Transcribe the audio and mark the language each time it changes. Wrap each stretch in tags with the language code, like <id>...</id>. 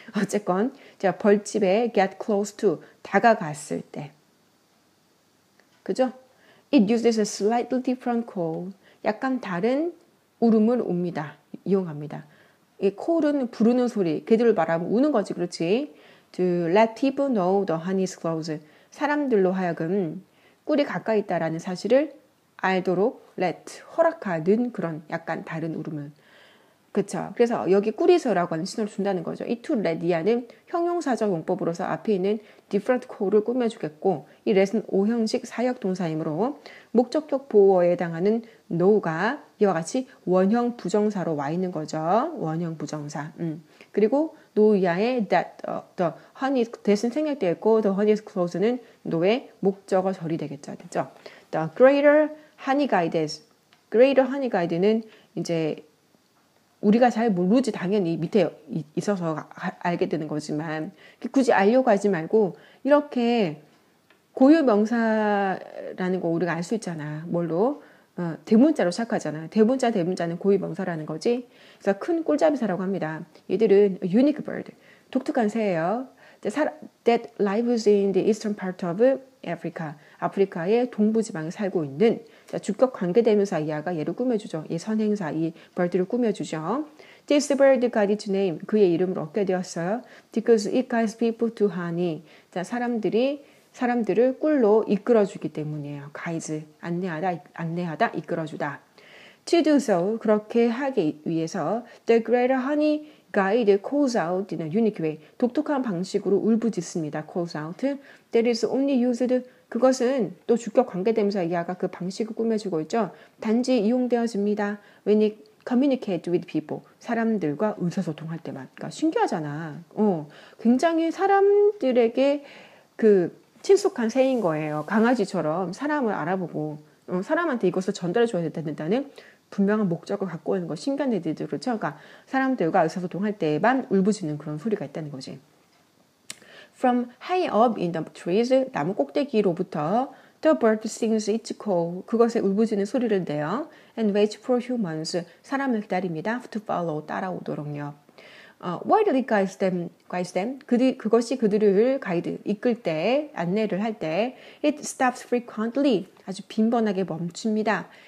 <ko>어쨌건 자, 벌집에</ko> <en>get close to</en> <ko>다가갔을 때. 그죠?</ko> <en>It uses a slightly different call.</en> <ko>약간 다른 울음을 웁니다. 이용합니다. 이 콜은 부르는 소리. 그들을 말하면 우는 거지, 그렇지?</ko> <en>To let people know the honey is close.</en> <ko>사람들로 하여금 꿀이 가까이 있다라는 사실을 알도록 let, 허락하는 그런 약간 다른 울음을. 그쵸? 그래서 여기 꿀이서라고 하는 신호를 준다는 거죠. It to let 이하는 형용사적 용법으로서 앞에 있는 different 콜을 꾸며주겠고 이 let은 오형식 사역동사이므로 목적격 보호어에 해당하는 no가 이와 같이 원형 부정사로 와 있는 거죠. 원형 부정사. 그리고 no 이하에 that, the honey is, that은 생략되어 있고</ko> <en>the honey is close</en> <ko>는 no의 목적어 절이 되겠죠. 됐죠?</ko> <en>The greater honey guide is.</en> <ko>greater honey guide는 이제 우리가 잘 모르지, 당연히 밑에 있어서 알게 되는 거지만, 굳이 알려고 하지 말고, 이렇게 고유 명사라는 거 우리가 알수 있잖아. 뭘로? 대문자로 시작하잖아. 대문자, 대문자는 고유 명사라는 거지. 그래서 큰 꿀잡이사라고 합니다. 얘들은</ko> <en>unique bird.</en> <ko>독특한 새예요.</ko> <en>That lives in the eastern part of Africa.</en> <ko>아프리카의 동부 지방에 살고 있는 자, 주격 관계대명사 이하가 얘를 꾸며주죠. 얘 선행사, 이 벌들을 꾸며주죠.</ko> <en>This bird got its name.</en> <ko>그의 이름을 얻게 되었어요.</ko> <en>Because it guides people to honey.</en> <ko>자, 사람들을 꿀로 이끌어주기 때문이에요.</ko> <en>Guides,</en> <ko>안내하다, 이끌어주다.</ko> <en>To do so,</en> <ko>그렇게 하기 위해서</ko> <en>The greater honey guide calls out in a unique way.</en> <ko>독특한 방식으로 울부짖습니다.</ko> <en>Calls out. That is only used</en> <ko>그것은 또 주격 관계대명사 이하가 그 방식을 꾸며주고 있죠. 단지 이용되어집니다.</ko> <en>When it communicate with people.</en> <ko>사람들과 의사소통할 때만. 그러니까 신기하잖아. 어, 굉장히 사람들에게 그 친숙한 새인 거예요. 강아지처럼 사람을 알아보고 어, 사람한테 이것을 전달해줘야 된다는 분명한 목적을 갖고 있는 거. 신기한 애들도 그렇죠. 그러니까 사람들과 의사소통할 때만 울부짖는 그런 소리가 있다는 거지.</ko> <en>From high up in the trees,</en> <ko>나무 꼭대기로부터</ko> <en>The bird sings its call.</en> <ko>그것의 울부짖는 소리를 내요.</ko> <en>And wait for humans.</en> <ko>사람을 기다립니다.</ko> <en>To follow.</en> <ko>따라오도록요.</ko> <en>Why do it guide them? Guide them?</en> <ko>그것이 그들을 가이드, 이끌 때, 안내를 할 때</ko> <en>It stops frequently.</en> <ko>아주 빈번하게 멈춥니다.</ko>